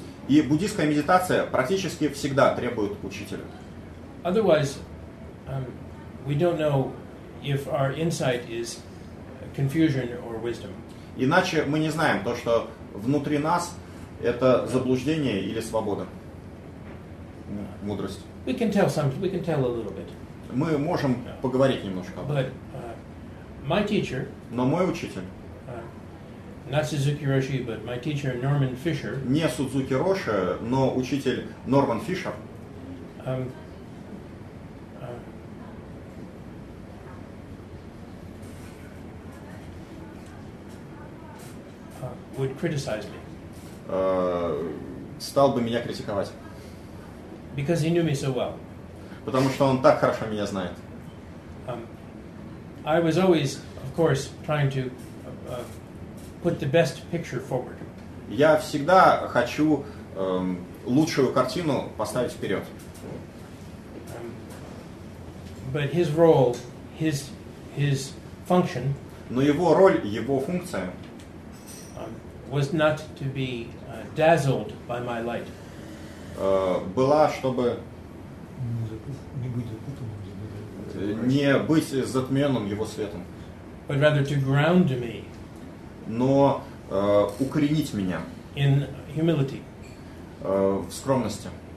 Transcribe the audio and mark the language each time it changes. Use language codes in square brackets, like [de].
[ru] И буддийская медитация практически всегда требует учителя. [en] Otherwise, we don't know if our insight is confusion or wisdom. [ru] Иначе мы не знаем то, что внутри нас это заблуждение или свобода, мудрость. [en] We can tell some. We can tell a little bit. [ru] Мы можем поговорить немножко. [en] But my teacher. [ru] Но мой учитель. [en] Not Suzuki Roshi, but my teacher Norman Fisher. [ru] Не Судзуки Роши, но учитель Норман Фишер. [en] Would criticize me. [ru] Стал бы меня критиковать. [en] Because he knew me so well. [ru] Потому что он так хорошо меня знает. [en] I was always, of course, trying to put the best picture forward. [ru] Я всегда хочу лучшую картину поставить вперед. [en] But his role, his function. [ru] Но его роль, его функция. [en] Was not to be dazzled by my light. [ru] Была, чтобы не быть затмённым его светом. [en] But rather to ground me. [ru] Но укоренить меня. [en] In humility. [ru] В скромности.